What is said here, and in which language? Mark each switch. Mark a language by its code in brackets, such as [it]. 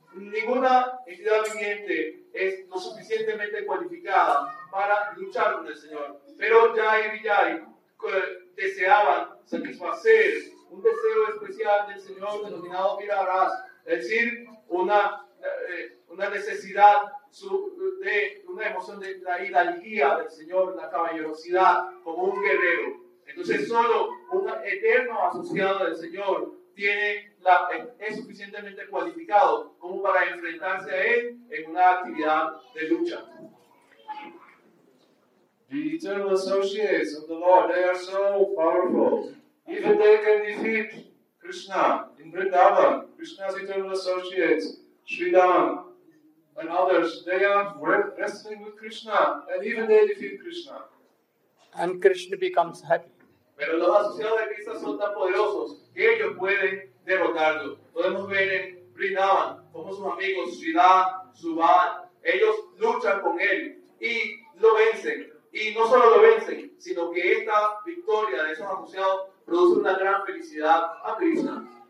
[es] Ninguna entidad viviente es lo suficientemente cualificada para luchar con el Señor, pero Jai y Vijay deseaban satisfacer un deseo especial del Señor denominado Virabhas, es decir, una necesidad de una emoción de la hidalguía del Señor, la caballerosidad, como un guerrero. Entonces, solo un eterno asociado del Señor es suficientemente cualificado como para enfrentarse a él en una actividad de lucha. [en] The eternal associates of the Lord, they are so powerful. Even they can defeat Krishna, in Vrindavan, Krishna's eternal associates, Sridhar and others, they are wrestling with Krishna and even they defeat Krishna. And Krishna becomes happy. [es] Pero los asociados de Krishna son tan poderosos que ellos pueden derrotarlo. Podemos ver en Vrindavan como sus amigos Sridhar, Subhan, ellos luchan con él y lo vencen. Y no solo lo vencen, sino que esta victoria de esos asociados produce una gran felicidad a Krishna.